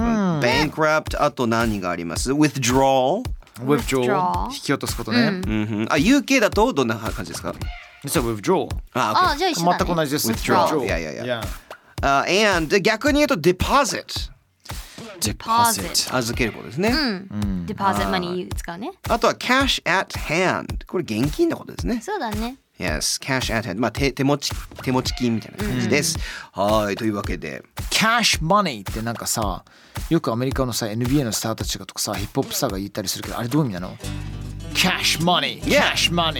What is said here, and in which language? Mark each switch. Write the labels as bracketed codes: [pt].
[ja] バンクラプト、あと何があります。 [en] withdrawal、 [ja] withdrawal、 引き落とすことね、うん、あ UK だとどんな感じですか。 [en] It's a withdrawal. Ah, okay. Ah, [ja] 全く同じです。 [en] Withdrawal. Yeah, yeah, yeah. Yeah. And [ja] 逆に言うと [en] deposit. Deposit. [ja] 預けることですね。 Deposit money 使うね。 [en] あとは cash at hand. [ja] これ現金のことですね。そうだね。 [en] Yes, cash at hand. [ja] まあ手持ち金みたいな感じです。はい、というわけで。 Cash money ってなんかさ、よくアメリカのさ、NBA のスターたちがとかさ、ヒップホップスターが言ったりするけど、あれどういう意味なの？ [en] Cash money, cash money.